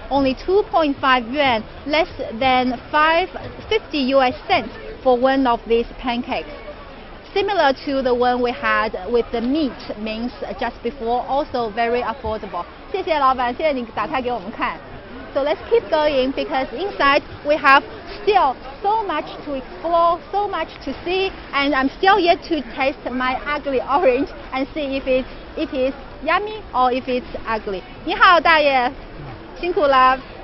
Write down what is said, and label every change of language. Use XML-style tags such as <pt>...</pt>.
<en>Only 2.5 yuan, less than 50 US cents for one of these pancakes. Similar to the one we had with the meat mince just before, also very affordable.</en> <zh>谢谢老板，现在你打开给我们看。</zh> <en>So let's keep going because inside we have still so much to explore, so much to see, and I'm still yet to taste my ugly orange and see if it is yummy or if it's ugly.</en> <zh>你好，大爷，辛苦了。</zh>